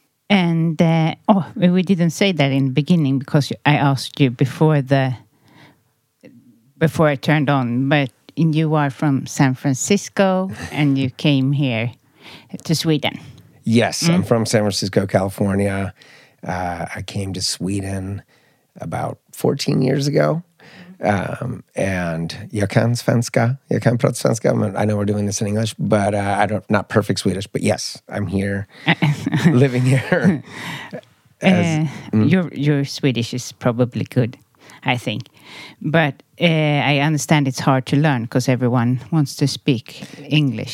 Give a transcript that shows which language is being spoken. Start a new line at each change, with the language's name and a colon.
English: And we didn't say that in the beginning because I asked you before I turned on, but you are from San Francisco and you came here to Sweden. Yes, I'm from San Francisco, California. I came to Sweden about 14 years ago.
Swedish: And jag kan prata svenska.
English: I know we're doing this in English, but not perfect Swedish, but yes, I'm here, living here. Your Swedish is probably good, I think. But I understand it's hard to learn because everyone wants to speak English.